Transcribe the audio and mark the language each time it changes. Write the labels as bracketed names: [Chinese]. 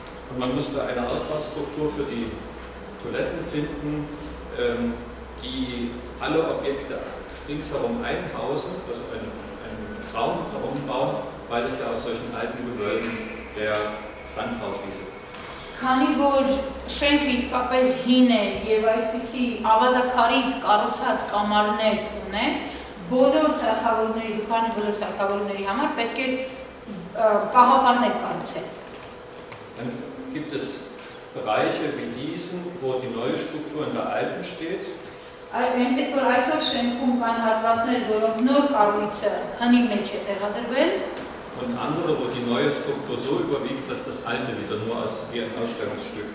[German] Und man musste eine Ausbaustruktur für die Toiletten finden, die alle Objekte ringsherum einhausen, also einen Raum darum bauen, weil es ja aus solchen alten Gewölben der Sand rausließe. [Armenian] Քանի որ շենքը իսկապես հին է եւ այսպեսի ավազակարից կառուցած կամարներ ունեն, բոլոր սարքավորների, քանի բոլոր սարքավորների համար պետք է կահապարներ կառուցել։ [German] Dann gibt es Bereiche wie diesen, wo die neue Struktur in der alten steht. [Armenian] Այնպես որ այսօր շենքում կան հատվածներ, որոնք նոր կառույցը հնի մեջ է տեղադրվել. [German] Und andere, wo die neue Struktur so überwiegt, dass das alte wieder nur als wie ein Ausstellungsstück.